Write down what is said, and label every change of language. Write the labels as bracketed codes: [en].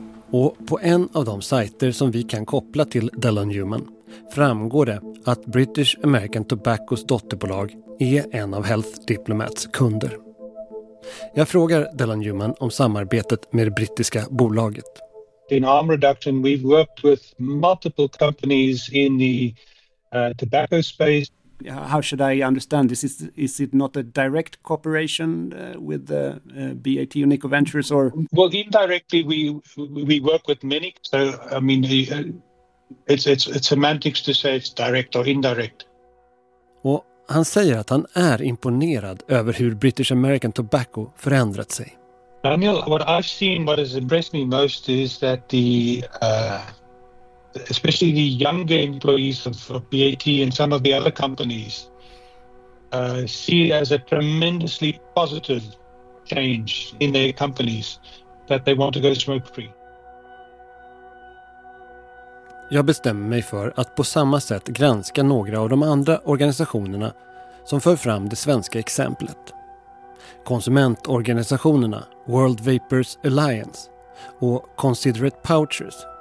[sv] Och på en av de sajter som vi kan koppla till Dell & Human framgår det att British American Tobaccos dotterbolag är en av Health Diplomats kunder. Jag frågar Dell & Human om samarbetet med det brittiska bolaget. [en] In harm reduction we've worked with multiple companies in the tobacco space. How should I understand this? Is it not a direct cooperation with the BAT Unico Ventures, or? Well, indirectly we work with many. So I mean, it's semantics to say it's direct or indirect. [sv] Och han säger att han är imponerad över hur British American Tobacco förändrat sig. [en] Daniel, what I've seen, what has impressed me most is that the especially the younger employees of BAT and some of the other companies see it as a tremendously positive change in their companies that they want to go smoke free. [sv] Jag bestämmer mig för att på samma sätt granska några av de andra organisationerna som för fram det svenska exemplet. Konsumentorganisationerna World Vapers Alliance och Considerate Pouchers.